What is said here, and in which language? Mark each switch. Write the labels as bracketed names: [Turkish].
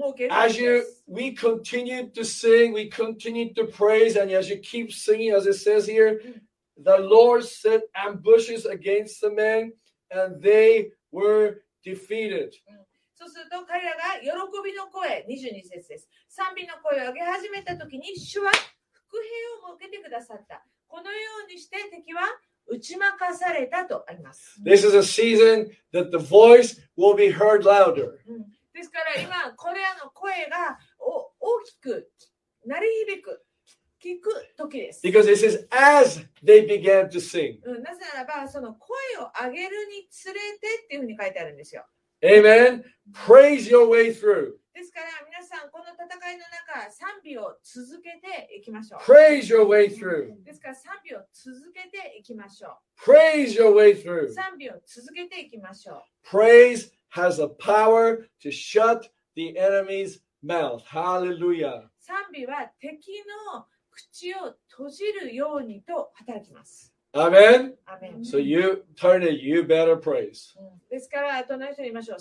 [English] As you, we continue to sing, we continue to praise, and as you keep singing, as it says here, the Lord set ambushes against the men, and they were defeated. [Japanese] そうすると彼らが喜びの声、22節です。賛美の声を上げ始めた時に主は伏兵を設けてくださった。このようにして敵は打ち負かされたとあります。 [English] This is a season that the voice will be heard louder. [Japanese] ですから今これらの声が大きく鳴り響く聞く時です。 [English] Because it says as they began to sing. [Japanese] なぜならばその声を上げるにつれてっていうふうに書いてあるんですよ。 [English] Amen. Praise your way through. [Japanese] ですから皆さんこの戦いの中賛美を続けていきましょう。 [English] Praise your way through. [Japanese] ですから賛美を続けていきましょう。 [English] Praise your way through. [Japanese] 賛美を続けていきましょう。 [English] Praise has a power to shut the enemy's mouth. Hallelujah. [Japanese] 賛美は敵の口を閉じるようにと働きます。 [English] Amen. Amen. So you turn it. You better praise. [Japanese] ですから隣の人に言いましょう。